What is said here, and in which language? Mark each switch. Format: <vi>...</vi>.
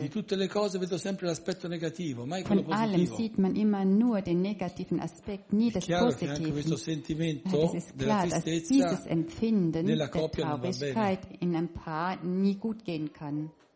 <it>Di tutte le cose vedo sempre l'aspetto negativo, mai quello positivo.</it> <de>Von allem sieht man immer nur den negativen Aspekt, nie das Positive.</de> <it>È chiaro che anche questo sentimento della tristezza,</it> <de>dieses Empfinden</de> <it>della coppia</it> <de>der Traurigkeit in ein Paar nie gut gehen kann.</de>